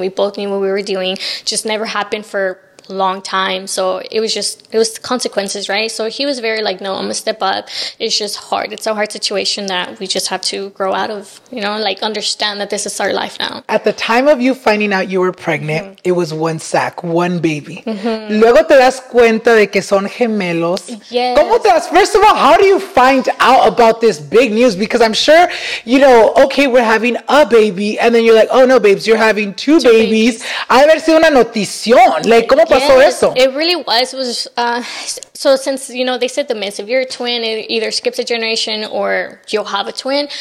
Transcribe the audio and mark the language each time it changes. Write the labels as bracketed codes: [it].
[en] We both knew what we were doing. Just never happened for a long time. So it was consequences, right? So he was very like, no, I'm going to step up. It's just hard. It's a hard situation that we just have to grow out of, you know, like understand that this is our life now. At the time of you finding out you were pregnant, it was one sack, one baby. Mm-hmm. [es] Luego te das cuenta de que son gemelos. [en] Yes. [es] ¿Cómo te das? [en] First of all, how do you find out about this big news? Because I'm sure, you know, okay, we're having a baby. And then you're like, oh no, babes, you're having two babies. [es] Ha haber sido una notición. Like, ¿cómo pasó eso? [en] It really was. So since, you know, they said the myth, if you're a twin, it either skips a generation or you'll have a twin.